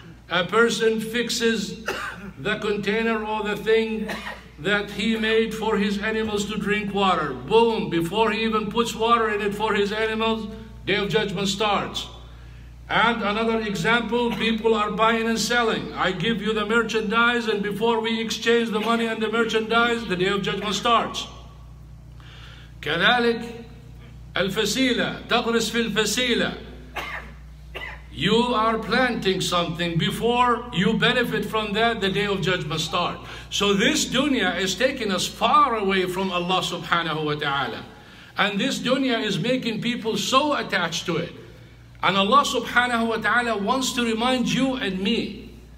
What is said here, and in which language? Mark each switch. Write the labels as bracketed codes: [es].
[en] A person fixes the container or the thing that he made for his animals to drink water. Boom, before he even puts water in it for his animals, day of judgment starts. And another example, people are buying and selling. I give you the merchandise and before we exchange the money and the merchandise, the day of judgment starts. [ar] كذلك الفسيلة, تغرس في الفسيلة. [en] You are planting something. Before you benefit from that, the day of judgment starts. So this dunya is taking us far away from Allah subhanahu wa ta'ala. And this dunya is making people so attached to it. And Allah subhanahu wa ta'ala wants to remind you and me.